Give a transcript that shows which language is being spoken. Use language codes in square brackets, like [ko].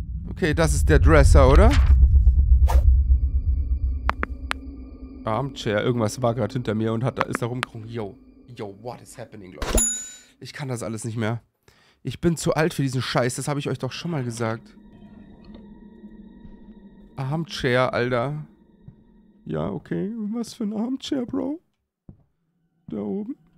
[de] Okay, das ist der Dresser, oder? Armchair, irgendwas war gerade hinter mir und ist da rumgekrungen. [en] Yo, yo, what is happening, Leute? [de] Ich kann das alles nicht mehr. Ich bin zu alt für diesen Scheiß, das habe ich euch doch schon mal gesagt. Armchair, Alter. Ja, okay. Was für ein Armchair, Bro? Da oben.